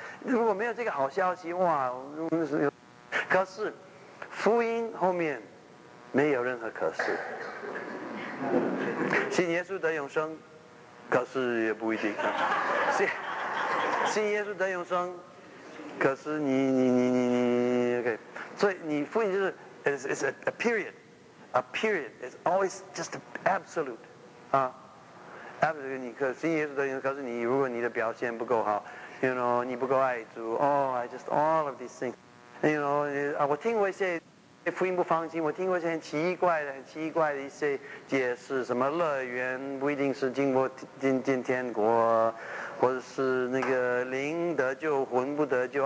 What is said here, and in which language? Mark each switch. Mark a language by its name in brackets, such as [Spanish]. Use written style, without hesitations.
[Chinese] 如果没有这个好消息，哇，可是福音后面没有任何可是，信耶稣得永生，可是也不一定。信耶稣得永生，可是你 ，OK。所以你福音就是 [English] ，it's a period, a period. It's always just absolute, 啊 ，absolute. [Chinese] 你可信耶稣得永生，可是你如果你的表现不够好 ， [English] you know, [Chinese] 你不够爱主 ， [English] oh, I just all of these things, you know, [Chinese] 啊，我听过一些。福音不放心，我听过一些很奇怪的一些解释，什么乐园不一定是进天国，或者是那个灵得救魂不得救。